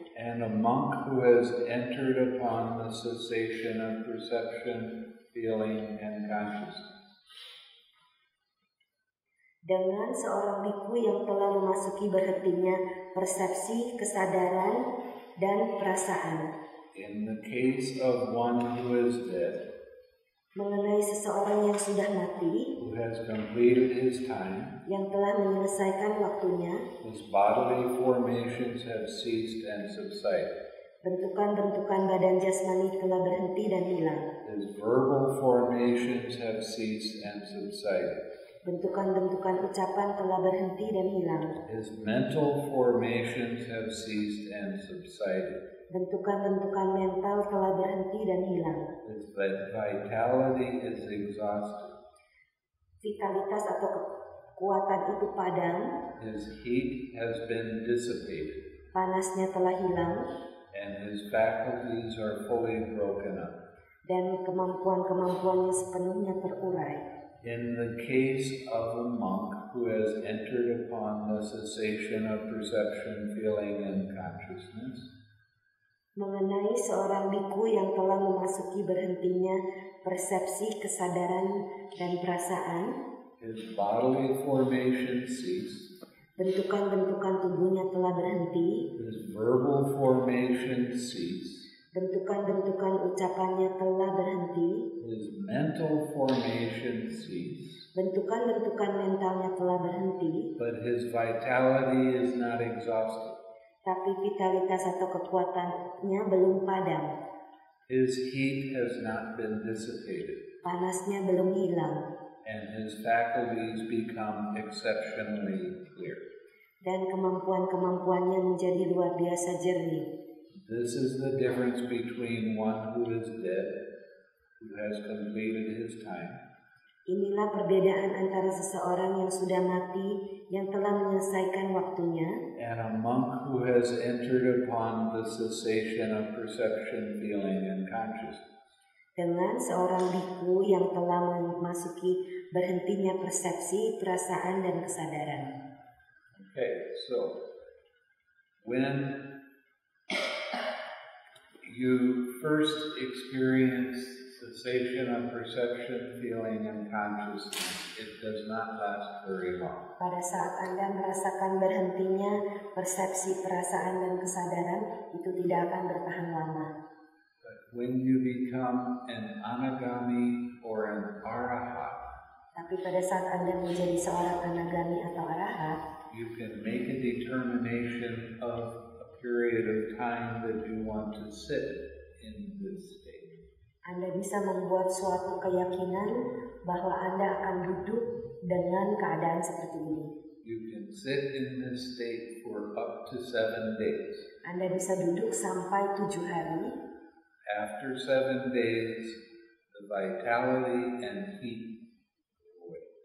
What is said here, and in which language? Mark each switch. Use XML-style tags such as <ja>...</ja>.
<en>And a monk who has entered upon the cessation of perception, feeling, and consciousness.</en> <id>Dengan seorang bhikkhu yang telah memasuki berhentinya persepsi, kesadaran, dan perasaan.</id> <en>In the case of one who is dead,</en> <id>mengenai seseorang yang sudah mati,</id> <en>who has completed his time,</en> <id>yang telah menyelesaikan waktunya,</id> <en>whose bodily formations have ceased and subsided,</en> <id>bentukan-bentukan badan jasmani telah berhenti dan hilang,</id> <en>his verbal formations have ceased and subsided,</en> <id>bentukan-bentukan ucapan telah berhenti dan hilang,</id> <en>his mental formations have ceased and subsided,</en> <id>bentukan-bentukan mental telah berhenti dan hilang,</id> <en>his vitality is exhausted,</en> <id>vitalitas atau kekuatan itu padam,</id> <en>his heat has been dissipated,</en> <id>panasnya telah hilang,</id> <en>and his faculties are fully broken up,</en> <id>dan kemampuan-kemampuannya sepenuhnya terurai.</id> <en>In the case of a monk who has entered upon the cessation of perception, feeling, and consciousness,</en> <id>mengenai seorang bhikkhu yang telah memasuki berhentinya persepsi, kesadaran, dan perasaan,</id> <en>his bodily formation ceased,</en> <id>bentukan-bentukan tubuhnya telah berhenti,</id> <en>his verbal formation ceased,</en> <id>bentukan-bentukan ucapannya telah berhenti,</id> <en>his mental formation ceased,</en> <id>bentukan-bentukan mentalnya telah berhenti,</id> <en>but his vitality is not exhausted,</en> <id>tapi vitalitas atau kekuatannya belum padam.</id> <en>His heat has not been dissipated.</en> <id>Panasnya belum hilang.</id> <en>And his faculties become exceptionally clear.</en> <id>Dan kemampuan-kemampuannya menjadi luar biasa jernih.</id> <en>This is the difference between one who is dead, who has completed his time.</en> <id>Inilah perbedaan antara seseorang yang sudah mati, yang telah menyelesaikan waktunya,</id> <en>and a monk who has entered upon the cessation of perception, feeling, and consciousness.</en> <id>Dengan seorang bhikkhu yang telah memasuki berhentinya persepsi, perasaan, dan kesadaran.</id> <en>Okay, so when you first experience cessation of perception, feeling, and consciousness, it does not last very long.</en> <id>Pada saat Anda merasakan berhentinya persepsi, perasaan, dan kesadaran, itu tidak akan bertahan lama.</id> <en>But when you become an anagami or an arahat,</en> <id>Tapi pada saat Anda menjadi seorang anagami atau arahat,</id> <en>you can make a determination of a period of time that you want to sit in this state.</en> <id>Anda bisa membuat suatu keyakinan bahwa Anda akan duduk dengan keadaan seperti ini.</id> <en>You can sit in this state for up to 7 days.</en> <id>Anda bisa duduk sampai 7 hari.</id> <en>After 7 days, the vitality and heat go away.</en>